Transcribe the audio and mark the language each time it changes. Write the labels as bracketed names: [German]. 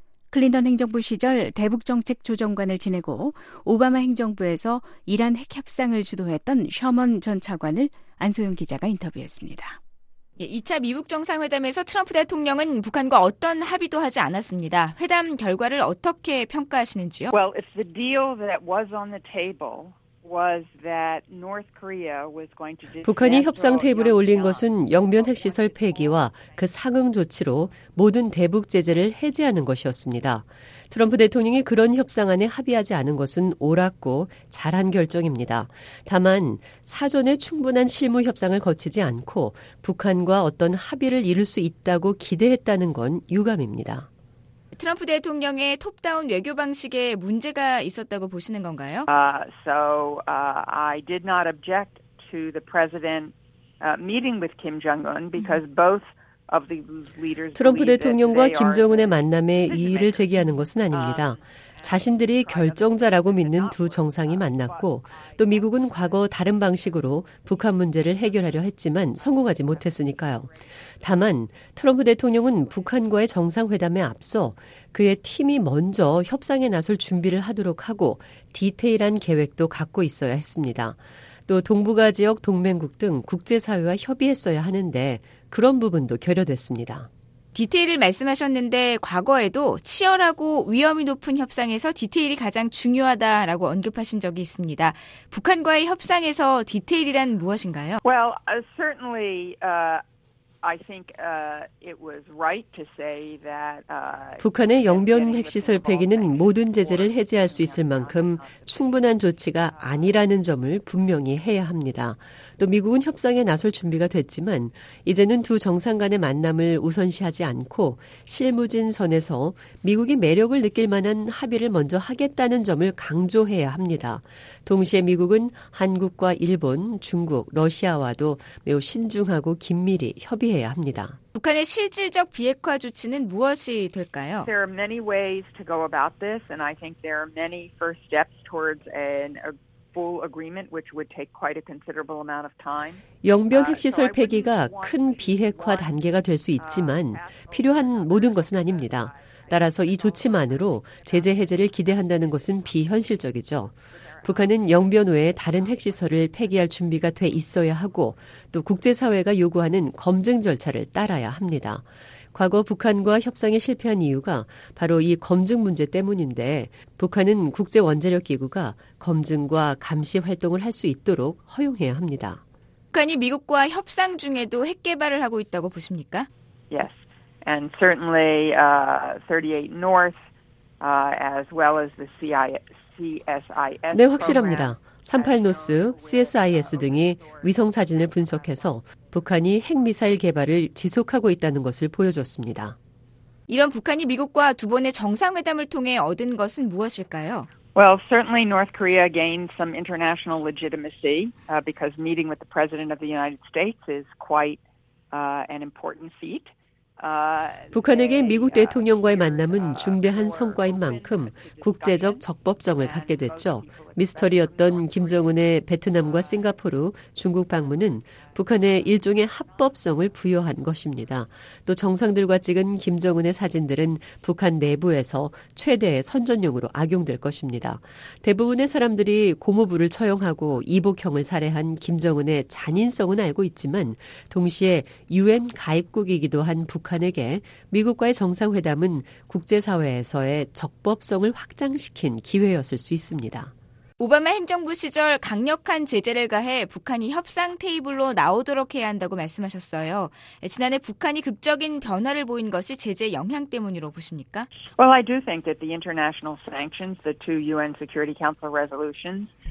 [Korean] 클린턴 행정부 시절 대북정책 조정관을 지내고 오바마 행정부에서 이란 핵협상을 주도했던 셔먼 전 차관을 안소영 기자가 인터뷰했습니다. 2차 미국 정상회담에서 트럼프 대통령은 북한과 어떤 합의도 하지 않았습니다. 회담 결과를 어떻게 평가하시는지요? [English] Well, if the deal that was on the table was that North Korea was going to [Korean] 북한이 협상 테이블에 올린 것은 영변 핵시설 폐기와 그 상응 조치로 모든 대북 제재를 해제하는 것이었습니다. 트럼프 대통령이 그런 협상안에 합의하지 않은 것은 옳았고 잘한 결정입니다. 다만 사전에 충분한 실무 협상을 거치지 않고 북한과 어떤 합의를 이룰 수 있다고 기대했다는 건 유감입니다. 트럼프 대통령의 톱다운 외교 방식에 문제가 있었다고 보시는 건가요? [English] I did not object to the president meeting with Kim Jong-un because both [Korean] 트럼프 대통령과 김정은의 만남에 이의를 제기하는 것은 아닙니다. 자신들이 결정자라고 믿는 두 정상이 만났고 또 미국은 과거 다른 방식으로 북한 문제를 해결하려 했지만 성공하지 못했으니까요. 다만 트럼프 대통령은 북한과의 정상회담에 앞서 그의 팀이 먼저 협상에 나설 준비를 하도록 하고 디테일한 계획도 갖고 있어야 했습니다. 또 동북아 지역 동맹국 등 국제사회와 협의했어야 하는데 그런 부분도 결여됐습니다. 디테일을 말씀하셨는데 과거에도 치열하고 위험이 높은 협상에서 디테일이 가장 중요하다라고 언급하신 적이 있습니다. 북한과의 협상에서 디테일이란 무엇인가요? [English] Well, certainly I think it was right to say that [Korean] 북한의 영변 핵시설 폐기는 모든 제재를 해제할 수 있을 만큼 충분한 조치가 아니라는 점을 분명히 해야 합니다. 또 미국은 협상에 나설 준비가 됐지만 이제는 두 정상 간의 만남을 우선시하지 않고 실무진 선에서 미국이 매력을 느낄 만한 합의를 먼저 하겠다는 점을 강조해야 합니다. 동시에 미국은 한국과 일본, 중국, 러시아와도 매우 신중하고 긴밀히 협의해야 합니다. 북한의 실질적 비핵화 조치는 무엇이 될까요? [English] There are many ways to go about this and I think there are many first steps towards an full agreement which would take quite a considerable amount of time. [Korean] 영변 핵시설 폐기가 큰 비핵화 단계가 될 수 있지만 필요한 모든 것은 아닙니다. 따라서 이 조치만으로 제재 해제를 기대한다는 것은 비현실적이죠. 북한은 영변 외에 다른 핵시설을 폐기할 준비가 돼 있어야 하고 또 국제사회가 요구하는 검증 절차를 따라야 합니다. 과거 북한과 협상에 실패한 이유가 바로 이 검증 문제 때문인데 북한은 국제원자력기구가 검증과 감시 활동을 할 수 있도록 허용해야 합니다. 북한이 미국과 협상 중에도 핵 개발을 하고 있다고 보십니까? [English] Yes, and certainly 38 North as well as the CIA. [Korean] 네, 확실합니다. 38노스, CSIS 등이 위성사진을 분석해서 북한이 핵미사일 개발을 지속하고 있다는 것을 보여줬습니다. 이런 북한이 미국과 두 번의 정상회담을 통해 얻은 것은 무엇일까요? [English] Well, certainly North Korea gained some international legitimacy because meeting with the President of the United States is quite an important feat. [Korean] 북한에게 미국 대통령과의 만남은 중대한 성과인 만큼 국제적 적법성을 갖게 됐죠. 미스터리였던 김정은의 베트남과 싱가포르, 중국 방문은 북한의 일종의 합법성을 부여한 것입니다. 또 정상들과 찍은 김정은의 사진들은 북한 내부에서 최대의 선전용으로 악용될 것입니다. 대부분의 사람들이 고무부를 처형하고 이복형을 살해한 김정은의 잔인성은 알고 있지만 동시에 유엔 가입국이기도 한 북한에게 미국과의 정상회담은 국제사회에서의 적법성을 확장시킨 기회였을 수 있습니다. 오바마 행정부 시절 강력한 제재를 가해 북한이 협상 테이블로 나오도록 해야 한다고 말씀하셨어요. 지난해 북한이 극적인 변화를 보인 것이 제재 영향 때문으로 보십니까? [English] Well, I do think that the international sanctions, the two UN Security Council resolutions,